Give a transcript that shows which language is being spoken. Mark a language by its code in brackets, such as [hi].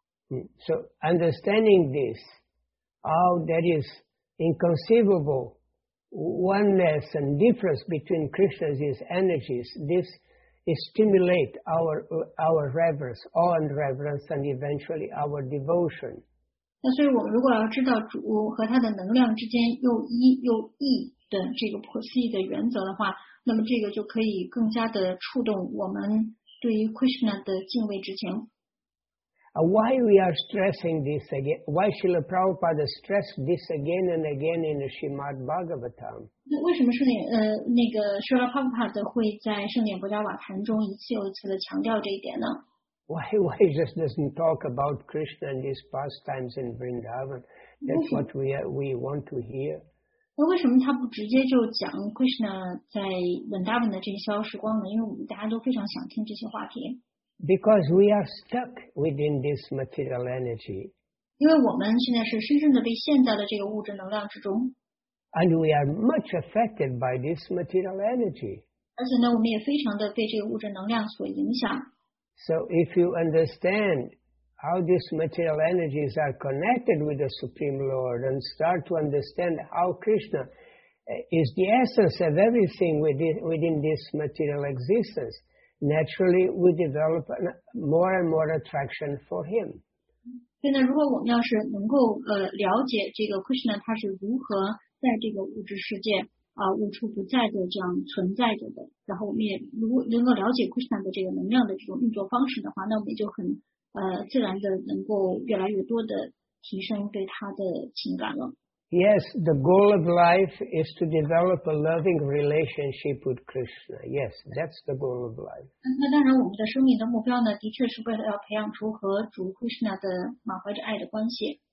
[en] So understanding this, how that is inconceivable oneness and difference between Krishna's his energies, this. Stimulate our reverence, awe and reverence, and eventually our devotion. [zh] 那所以，我们如果要知道主和他的能量之间又一又一的这个普世的原则的话，那么这个就可以更加的触动我们对于 Krishna 的敬畏之情。 [en] Why we are stressing this again? Why Srila Prabhupada stressed this again and again in the Srimad Bhagavatam? [zh] 为什么圣典那个 Srila Prabhupada 会在圣典博迦瓦坛中一次又一次的强调这一点呢？ [en] Why just doesn't talk about Krishna and his pastimes in Vrindavan? That's what we want to hear. [zh] 那为什么他不直接就讲 Krishna 在 Vrindavan 的这些逍遥时光呢？因为我们大家都非常想听这些话题。 [en] Because we are stuck within this material energy. [zh] 因为我们现在是深深的被陷在了这个物质能量之中。 [en] And we are much affected by this material energy. [zh] 而且呢，我们也非常的被这个物质能量所影响。 [en] So if you understand how these material energies are connected with the Supreme Lord and start to understand how Krishna is the essence of everything within this material existence, naturally we develop more and more attraction for Him. [zh] 所以呢，如果我们要是能够了解这个 Krishna 他是如何在这个物质世界啊无处不在的这样存在着的，然后我们也如果能够了解 Krishna 的这个能量的这种运作方式的话，那我们就很自然的能够越来越多的提升对他的情感了。 [en] Yes, the goal of life is to develop a loving relationship with Krishna. Yes, that's the goal of life. [zh] 那当然，我们的生命的目标呢，的确是为了要培养出和主 Krishna 的满怀着爱的关系。